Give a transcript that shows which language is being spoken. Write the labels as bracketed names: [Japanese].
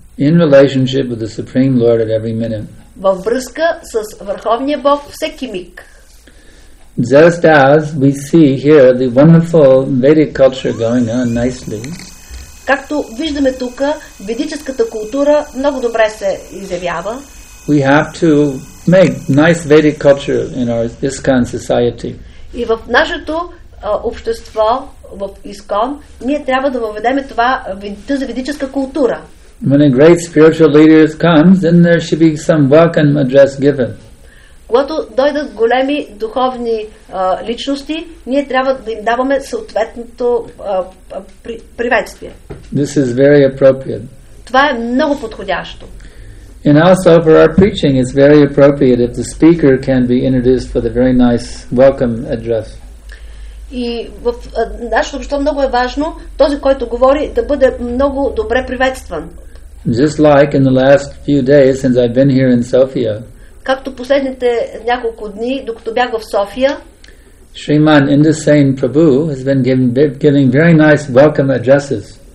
[English] In relationship with the Supreme Lord at every minute. [Bulgarian] Във връзка с Върховния Бог всеки миг. [English] Just as we see here the wonderful Vedic culture going on nicely. [Bulgarian] Както виждаме тук, ведическата култура много добре се изявява. [English] We have to make nice Vedic culture in our ISKCON society. [Bulgarian] И в нашето общество, в ИСКОН, ние трябва да въведем това, тази ведическа култура. [English] When a great spiritual leader comes, then there should be some welcome address given. [Bulgarian] Когато дойдат големи духовни личности, ние трябва да им даваме съответното приветствие. [English] This is very appropriate. [Bulgarian] Това е много подходящо. [English] And also for our preaching it's very appropriate if the speaker can be introduced with a very nice welcome address. [Bulgarian] И в нашето общество много е важно този, който говори, да бъде много добре приветстван. [English] Just like in the last few days since I've been here in Sofia. [Bulgarian] Както последните няколко дни, докато бях в София, [English] Shriman Indrasen Prabhu has been giving very nice welcome addresses.